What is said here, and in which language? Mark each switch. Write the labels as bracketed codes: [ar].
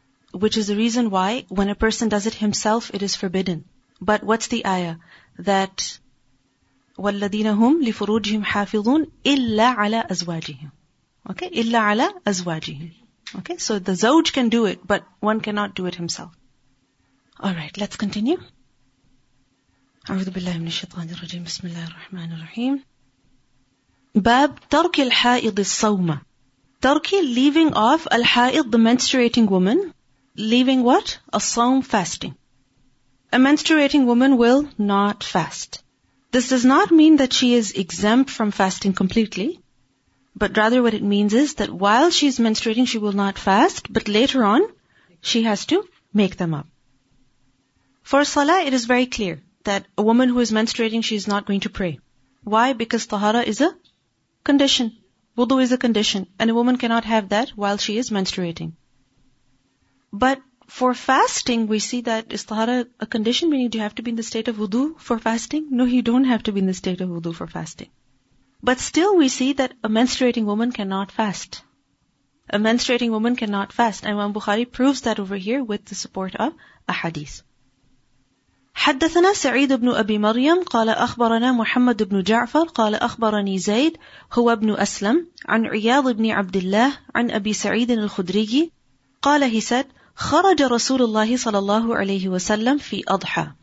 [en] Which is the reason why when a person does it himself, it is forbidden. But what's the ayah? That [ar] وَالَّذِينَ هُمْ لِفُرُوجِهِمْ حَافِظُونَ إِلَّا عَلَىٰ أَزْوَاجِهِمْ. [en] Okay? [ar] إِلَّا عَلَىٰ أَزْوَاجِهِمْ. Okay? [en] So the zawj can do it, but one cannot do it himself. Alright, let's continue. [ar] أعوذ بالله من الشيطان الرجيم بسم الله الرحمن الرحيم باب ترك الحائض الصوم. [en] ترك, leaving off, الحائض, the menstruating woman. Leaving what? A sawm, fasting. A menstruating woman will not fast. This does not mean that she is exempt from fasting completely, but rather what it means is that while she is menstruating, she will not fast, but later on, she has to make them up. For salah, it is very clear that a woman who is menstruating, she is not going to pray. Why? Because tahara is a condition. Wudu is a condition. And a woman cannot have that while she is menstruating. But for fasting, we see that is tahara a condition? Meaning, do you have to be in the state of wudu for fasting? No, you don't have to be in the state of wudu for fasting. But still we see that a menstruating woman cannot fast. A menstruating woman cannot fast. And Imam Bukhari proves that over here with the support of a hadith. [ar] حدثنا سعيد بن أبي مريم قال أخبرنا محمد بن جعفر قال أخبرني زيد هو ابن أسلم عن عياض بن عبد الله عن أبي سعيد الخدري قال [en] he said [ar] خرج رسول الله صلى الله عليه وسلم في أضحى.